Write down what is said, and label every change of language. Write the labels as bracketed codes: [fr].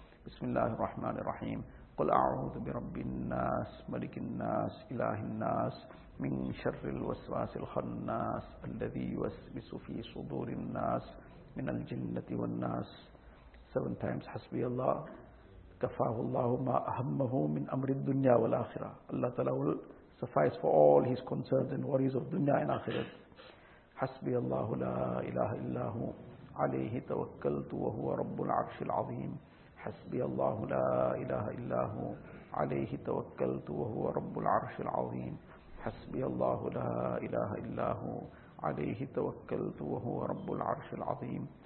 [ar] بسم الله الرحمن الرحيم قل أعوذ برب الناس ملك الناس إله الناس من شر الوسواس الخناس الذي يوسوس في صدور الناس من الجنة والناس. [en] 7 times [ar] حسبي الله كفاه الله ما أهمه من أمر الدنيا والآخرة. [en] Allah Ta'ala will suffice for all his concerns and worries of dunya and akhirat. [ar] حسبي الله لا إله إلا هو عليه توكلت وهو رب العرش العظيم. حسبي الله لا إله إلا هو عليه توكلت وهو رب العرش العظيم. حسبي الله لا إله إلا هو عليه توكلت وهو رب العرش العظيم.